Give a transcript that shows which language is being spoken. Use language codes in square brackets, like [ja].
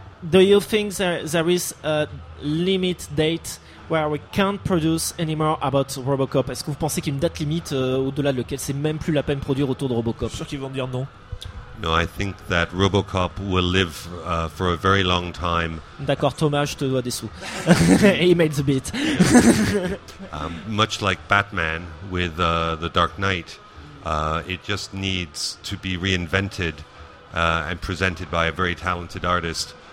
[en] Do you think there is a limit date where we can't produce anymore about Robocop? [fr] Est-ce que vous pensez qu'il y a une date limite au-delà de laquelle c'est même plus la peine de produire autour de Robocop? Je suis sûr qu'ils vont dire non. [en] No, I think that RoboCop will live for a very long time. [fr] D'accord, Thomas, je te dois des sous. [en] He made the beat. Much like Batman with The Dark Knight, it just needs to be reinvented and presented by a very talented artist.